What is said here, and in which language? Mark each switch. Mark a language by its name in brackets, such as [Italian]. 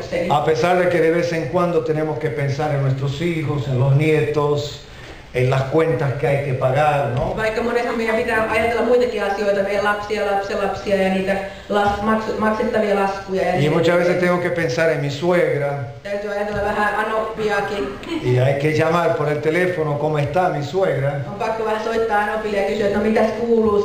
[Spanish] A pesar de que de vez en cuando tenemos que pensar en nuestros hijos, en los nietos, en las cuentas que hay que pagar, ¿no? [Finnish] Vaikka monesti meidän pitää ajatella muitakin asioita, meidän lapsia, lapsenlapsia ja niitä maksettavia laskuja. [Spanish] Y muchas veces tengo que pensar en mi suegra. [Finnish] Täytyy ajatella vähän anoppiakin. [Spanish] Y hay que llamar por el teléfono, ¿cómo está mi suegra? [Finnish] On pakko vähän soittaa anopille ja kysyä, että no, mitäs kuuluu